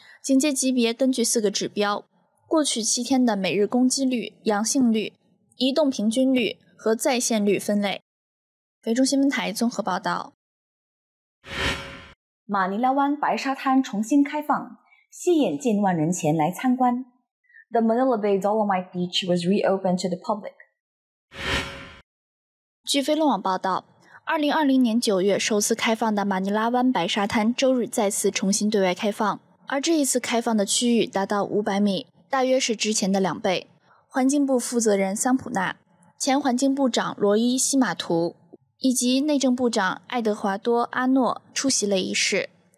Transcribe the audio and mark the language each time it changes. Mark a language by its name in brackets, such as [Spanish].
[Chinese] 警戒级别根据四个指标，过去七天的每日攻击率、阳性率、移动平均率和在线率分类。菲中新闻台综合报道。马尼拉湾白沙滩重新开放，吸引近万人前来参观。 [English] The Manila Bay Dolomite Beach was reopened to the public. [Chinese] 据菲律网报道，2020年9月首次开放的马尼拉湾白沙滩周日再次重新对外开放，而这一次开放的区域达到500米，大约是之前的两倍。环境部负责人桑普纳、前环境部长罗伊·西马图以及内政部长爱德华多·阿诺出席了仪式。